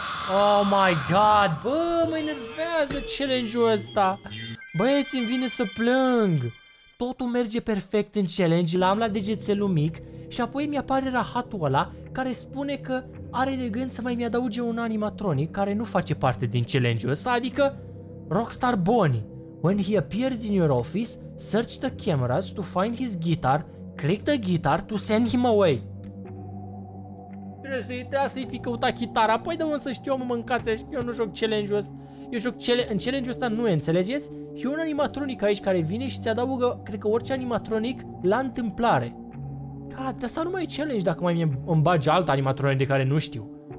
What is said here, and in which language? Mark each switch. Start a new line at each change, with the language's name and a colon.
English: Oh my god,
Romanian: bă, mă enervează challenge-ul ăsta. Băieți, îmi vine să plâng. Totul merge perfect în challenge, l-am la degețelul mic și apoi mi-apare rahatul ăla care spune că are de gând să mai mi-adauge un animatronic care nu face parte din challenge-ul ăsta, adică Rockstar Bonnie.
English: When he appears in your office, search the cameras to find his guitar, click the guitar to send him away.
Romanian: Trebuie să-i fi căutat chitara, păi dă-mă să știu, mă mâncați așa, eu nu joc challenge-ul ăsta. Eu joc în challenge-ul ăsta, nu înțelegeți? E un animatronic aici care vine și ți-adaugă, cred că orice animatronic, la întâmplare. God, asta nu mai e challenge dacă mai îmi bagi alt animatronic de care nu știu.